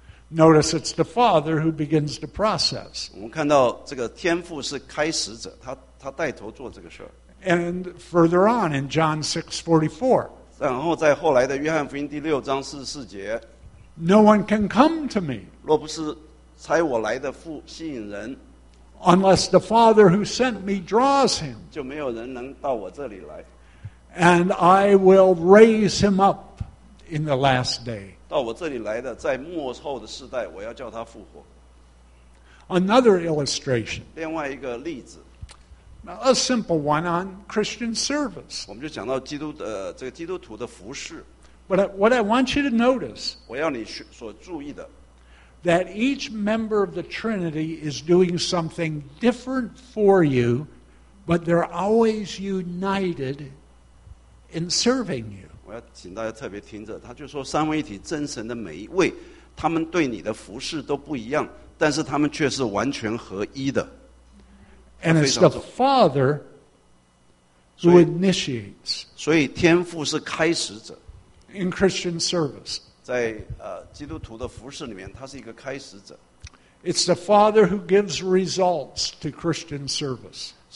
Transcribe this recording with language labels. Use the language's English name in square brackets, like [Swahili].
[English] Notice it's the Father who begins the process. [Chinese] 我们看到这个天父是开始者, 他带头做这个事。 [English] And further on in John 6:44, no one can come to me [Chinese] 若不是猜我来的父吸引人, [English] unless the Father who sent me draws him. And I will raise him up in the last day. [Chinese] 到我这里来的,在末后的世代,我要叫他复活。 [English] Another illustration. [Chinese] 另外一个例子, [English] a simple one on Christian service. [Chinese] 我们就讲到基督的,这个基督徒的服事。 [English] But what I want you to notice, [Chinese] 我要你所注意的, [English] that each member of the Trinity is doing something different for you, but they're always united in serving you. [Chinese] 我要请大家特别听着,他就说三位一体真神的每一位,他们对你的服事都不一样,但是他们却是完全合一的。 [English] And it's the Father who initiates. [Chinese] 所以天父是开始者。 [English] In Christian service. [Chinese] 在基督徒的服事里面,他是一个开始者。 [English] It's the Father who gives results to Christian service.